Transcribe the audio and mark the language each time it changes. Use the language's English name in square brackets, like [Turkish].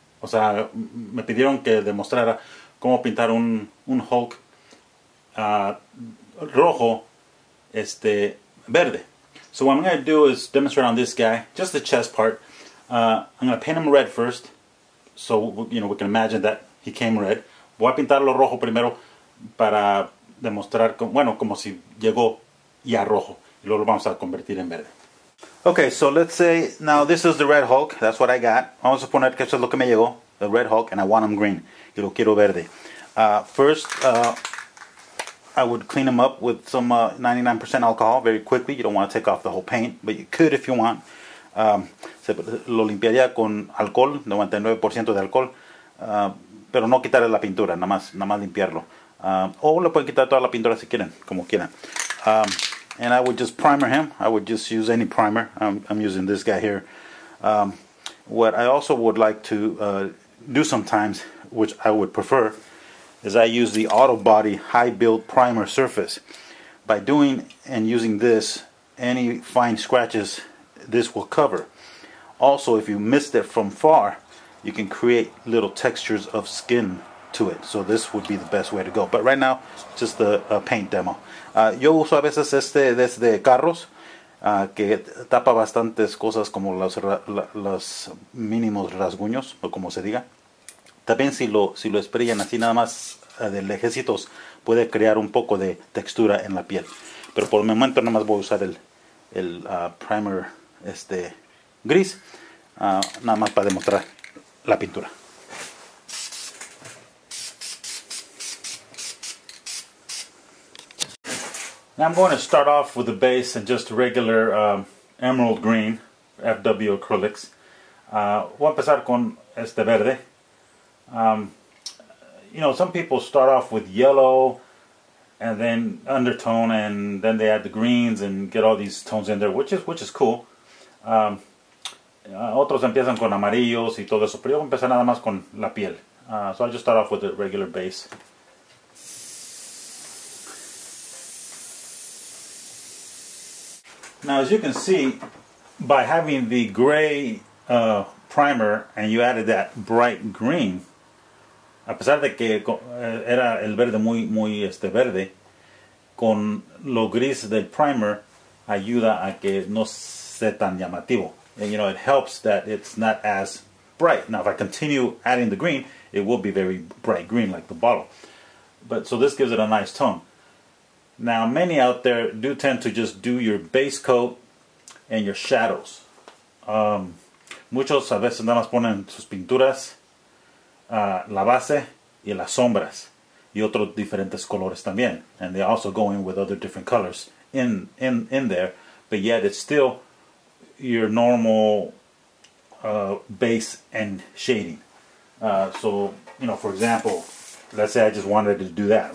[Spanish] O sea, me pidieron que demostrara cómo pintar un Hulk rojo, verde. [English] So what I'm going to do is demonstrate on this guy, just the chest part. I'm going to paint him red first, so we can imagine that he came red. [Spanish] Voy a pintarlo rojo primero para demostrar, como si llegó ya rojo. Y luego lo vamos a convertir en verde. [English] Okay, so let's say, now this is the Red Hulk. That's what I got. [Spanish] Vamos a poner que eso es lo que me llegó, [English] the Red Hulk, and I want him green. [Spanish] Y lo quiero verde. [English] First, I would clean him up with some 99% alcohol very quickly. You don't want to take off the whole paint, but you could if you want. [Spanish] Lo limpiaría con alcohol, 99% de alcohol. Pero no quitarle la pintura, nada más limpiarlo. O le pueden quitar toda la pintura si quieren, como quieran. [English] And I would just primer him. I would just use any primer. I'm using this guy here. What I also would like to do sometimes, which I would prefer, is I use the Auto Body High Build Primer Surface. By doing and using this, any fine scratches, this will cover. Also, if you missed it from far, you can create little textures of skin to it. So this would be the best way to go. But right now, just the paint demo. [Spanish] Yo uso a veces desde carros, que tapa bastantes cosas como los mínimos rasguños, o como se diga. También si lo sprayan así nada más de lejecitos, puede crear un poco de textura en la piel. Pero por el momento nada más voy a usar el primer gris, nada más para demostrar la pintura. [English] Now I'm going to start off with the base and just regular emerald green, FW acrylics. [Spanish] Voy a empezar con verde. [English] Some people start off with yellow and then undertone and then they add the greens and get all these tones in there, which is cool. [Spanish] Otros empiezan con amarillos y todo eso, pero yo voy a empezar nada más con la piel. [English] So I'll just start off with the regular base. Now as you can see, by having the gray primer and you added that bright green, [Spanish] a pesar de que era el verde muy, muy verde, con lo gris del primer ayuda a que no sea tan llamativo. [English] And you know, it helps that it's not as bright. Now, if I continue adding the green, it will be very bright green like the bottle. But so this gives it a nice tone. Now, many out there do tend to just do your base coat and your shadows. [Spanish] Muchos a veces nada más ponen sus pinturas, la base y las sombras. Y otros diferentes colores también. [English] And they also go in with other different colors in there. But yet it's still your normal base and shading. For example, let's say I just wanted to do that.